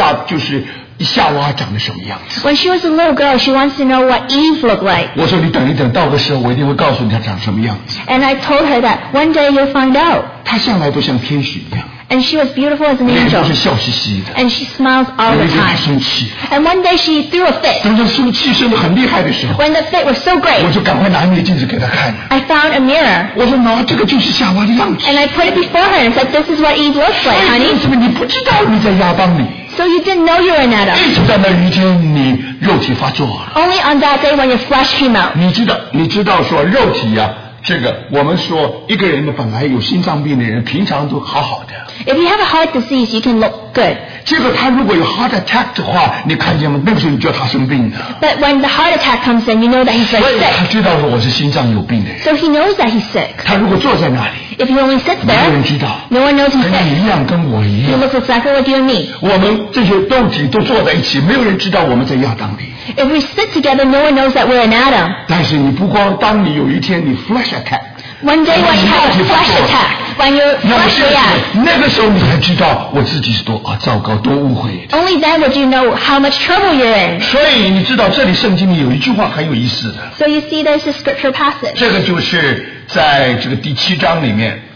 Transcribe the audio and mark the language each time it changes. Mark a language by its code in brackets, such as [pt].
[zh] 她小的时候她一直想知道到底亚当，亚就是夏娃长得什么样子。 [en] When she was a little girl, she wants to know what Eve looked like. [zh] 我说你等一等，到的时候我一定会告诉你她长什么样子。 [en] And I told her that one day you'll find out. [zh] 她向来都像天使一样。 [en] And she was beautiful as an angel. And she smiles all the time. And one day she threw a fit. [zh] 等她生气生得很厉害的时候, [en] when the fit was so great, [zh] 我就赶快拿捏镜子给她看, [en] I found a mirror. [zh] 我说,这个就是夏娃的样子。 [en] And I put it before her and said, this is what Eve looks like, honey. [zh] 为什么你不知道你在亚当里? [en] So you didn't know you were in Adam. [zh] 一直到那一天你肉体发作, [en] only on that day when your flesh came out. [zh] 你知道说肉体啊, 这个我们说一个人本来有心脏病的人平常都好好的。 [en] If you have a heart disease, you can look good. [zh] 结果他如果有 heart attack 的话，你看见吗？那个时候你叫他生病的。 [en] But when the heart attack comes in, you know that he's very sick. [zh] 所以他知道我是心脏有病的。 [en] So he knows that he's sick. [zh] 他如果坐在那里， [en] if he only sits there, [zh] 没有人知道， [en] no one knows he's sick. [zh] 跟你一样，跟我一样。 [en] He looks exactly like you and me. [zh] 我们这些肉体都坐在一起， 没有人知道我们在亚当里。 [en] If we sit together, no one knows that we're in Adam. [zh] 但是你不光当你有一天你 [en] flesh attack， one day when you have a flesh attack, when you're flesh react, [zh] 那个时候你才知道我自己是多糟糕，多误会的。 [en] Only then would you know how much trouble you're in. [zh] 所以你知道这里圣经里有一句话很有意思的。 [en] So you see there's a scripture passage. [zh] 这个就是在这个第七章里面。